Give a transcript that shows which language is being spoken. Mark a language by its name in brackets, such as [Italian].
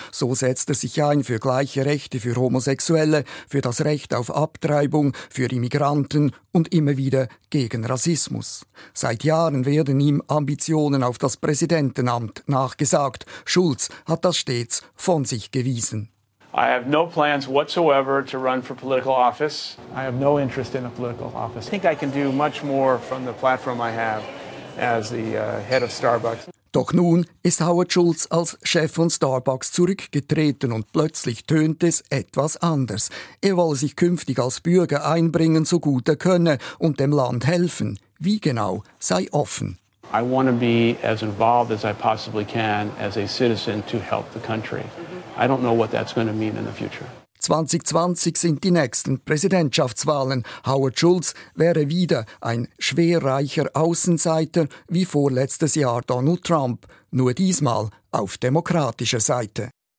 [German] So setzt er sich ein für gleiche Rechte für Homosexuelle, für das Recht auf Abtreibung, für Immigranten und immer wieder gegen Rassismus. Seit Jahren werden ihm Ambitionen auf das Präsidentenamt nachgesagt. Schultz hat das stets von sich gewiesen. [English] I have no plans whatsoever to run for political office. I have no interest in a political office. I think I can do much more from the platform I have as the head of Starbucks. [German] Doch nun ist Howard Schultz als Chef von Starbucks zurückgetreten und plötzlich tönt es etwas anders. Er wolle sich künftig als Bürger einbringen, so gut er könne, und dem Land helfen. Wie genau, sei offen. [English] I want to be as involved as I possibly can as a citizen to help the country. I don't know what that's going to mean in the future. [German] 2020 sind die nächsten Präsidentschaftswahlen. Howard Schultz wäre wieder ein schwerreicher Außenseiter wie vorletztes Jahr Donald Trump, nur diesmal auf demokratischer Seite.